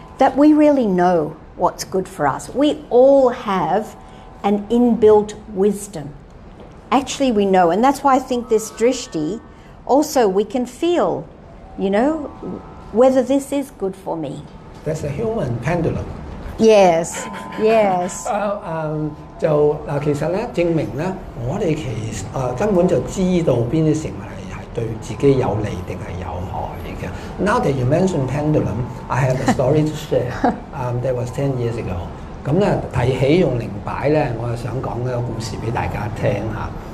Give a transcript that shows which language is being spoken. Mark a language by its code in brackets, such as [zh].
[en] That we really know what's good for us. We all have an inbuilt wisdom. Actually, we know, and that's why I think this drishti, also we can feel, you know, whether this is good for me. That's a human pendulum. Yes, yes. [yue] 就其實咧，證明咧，我哋其實根本就知道邊啲食物係對自己有利定係有害。 [en] Now that you mentioned pendulum, I have a story to share. That was 10 years ago. [yue] 咁咧提起用靈擺咧，我就想講一個故事俾大家聽嚇。